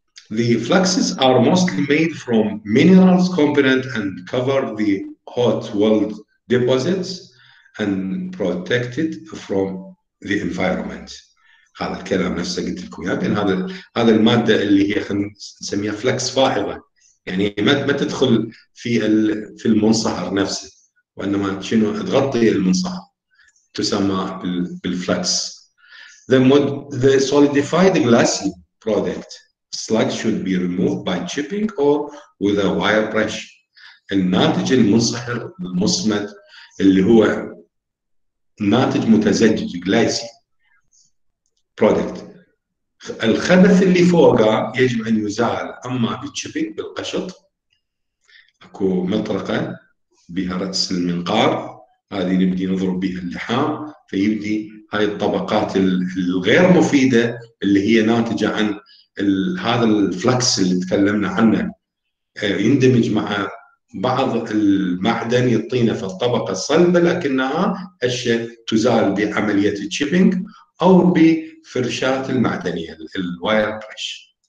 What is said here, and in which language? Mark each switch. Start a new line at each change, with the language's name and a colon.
English: The fluxes are mostly made from minerals component and cover the hot weld deposits and protect it from the environment.
Arabic: هذا الكلام نفسه قلت لكم اياه، بان هذا الماده اللي هي نسميها فلكس فائضه، يعني ما تدخل في المنصهر نفسه، وانما شنو تغطي المنصهر، تسمى بالفلكس.
English: The solidified glassy product slug should be removed by chipping or with a wire brush.
Arabic: الناتج المنصهر المصمت اللي هو ناتج متزجج
English: glassy product،
Arabic: الخبث اللي فوقه يجب ان يزال اما بالشيبينج بالقشط، اكو مطرقة بها رأس المنقار هذه نبدي نضرب بها اللحام، فيبدي هاي الطبقات الغير مفيدة اللي هي ناتجة عن هذا الفلكس اللي تكلمنا عنه يندمج مع بعض المعدن يطينه في الطبقة الصلبة، لكنها أشياء تزال بعملية تشيبينج أو بفرشات المعدنية الواير برش.